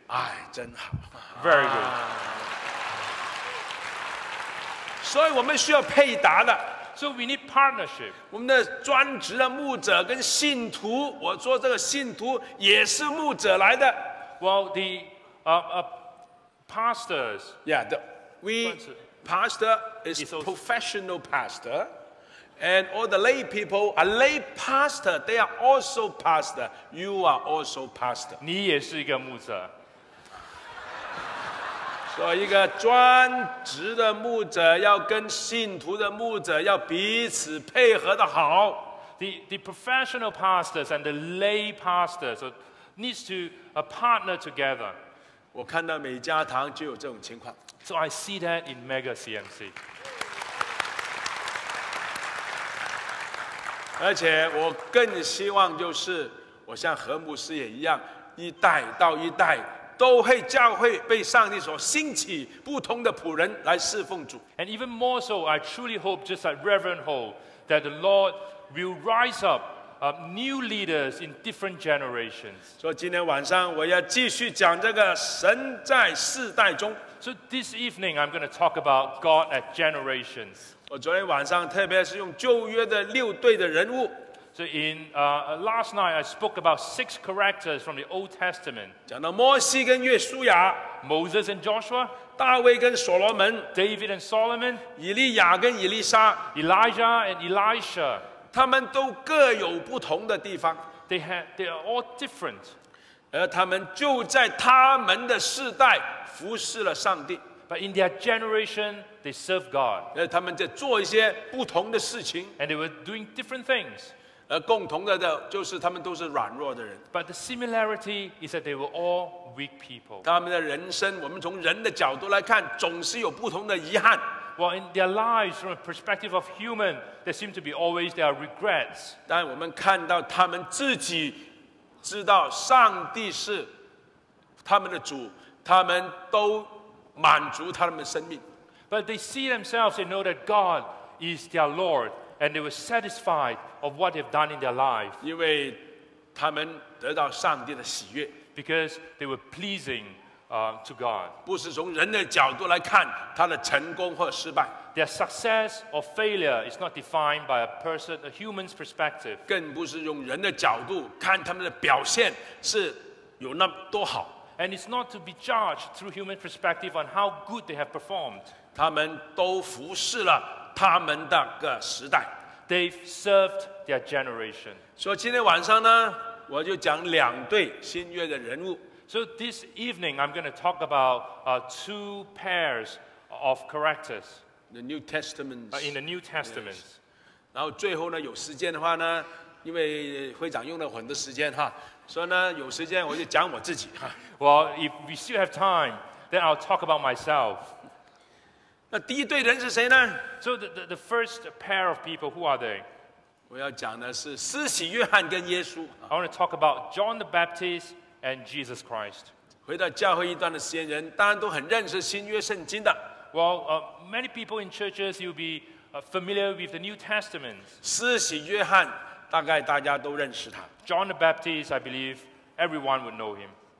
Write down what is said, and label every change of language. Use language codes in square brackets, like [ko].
[zh] 哎，真好 [en] ，very good。 [zh] 所以我们需要配搭的。 [en] So we need partnership. [zh] 我们的专职的牧者跟信徒，我说这个信徒也是牧者来的。 [en] Well, the pastors. Yeah, pastor is professional pastor, and all the lay people are lay pastor. They are also pastor. You are also pastor. [zh] 你也是一个牧者。所以一个专职的牧者要跟信徒的牧者要彼此配合的好。 [en] The professional pastors and the lay pastors needs to partner together. [zh] 我看到每家堂就有这种情况。 [en] So I see that in Mega CMC. [zh] 而且我更希望就是我像何牧师也一样，一代到一代都会教会被上帝所兴起不同的仆人来侍奉主。 [en] And even more so, I truly hope, just like Reverend Ho, that the Lord will rise up new leaders in different generations. [zh] 所以今天晚上我要继续讲这个神在世代中。 [en] So this evening I'm going to talk about God at generations. [zh] 我昨天晚上特别是用旧约的六对的人物。 [en] So in last night I spoke about six characters from the Old Testament. [zh] 讲到摩西跟约书亚， [en] Moses and Joshua， [zh] 大卫跟所罗门， [en] David and Solomon， [zh] 以利亚跟以利沙， [en] Elijah and Elisha， [zh] 他们都各有不同的地方。 [en] They are all different， [zh] 而他们就在他们的世代服侍了上帝。 [en] But in their generation they serve God， [zh] 而他们在做一些不同的事情。 [en] And they were doing different things， [zh] 而共同的就是他们都是软弱的人。 [en] But the similarity is that they were all weak people. [zh] 他们的人生，我们从人的角度来看，总是有不同的遗憾。 [en] Well, in their lives, from a perspective of human, there seem to be always their regrets. [zh] 但我们看到他们自己知道上帝是他们的主，他们都满足他们的生命。 [en] But they see themselves, they know that God is their Lord. And they were satisfied of what they've done in their life. [zh] 因为他们得到上帝的喜悦。 [en] Because they were pleasing to God. [zh] 不是从人的角度来看他的成功或失败。 [en] Their success or failure is not defined by a human's perspective. [zh] 更不是用人的角度看他们的表现是有那么多好。 [en] And it's not to be judged through human perspective on how good they have performed. [zh] 他们都服侍了他们的个时代。 [en] They've served their generation. [zh] 所以今天晚上呢，我就讲两对新约的人物。 [en] So this evening I'm going to talk about two pairs of characters the New Testament. In the New Testament. Yes. [zh] 然后最后呢，有时间的话呢，因为会长用了很多时间哈，所以呢，有时间我就讲我自己哈。 [en] Well, if we still have time, then I'll talk about myself. [zh] 那第一对人是谁呢？ [en] So the first pair of people, who are they? [zh] 我要讲的是施洗约翰跟耶稣。 [en] I want to talk about John the Baptist and Jesus Christ. [zh] 回到教会一段的时间，人当然都很认识新约圣经的。 [en] Well, many people in churches, you'll be familiar with the New Testament. [zh] 施洗约翰大概大家都认识他。 [en] John the Baptist, I believe everyone would know him.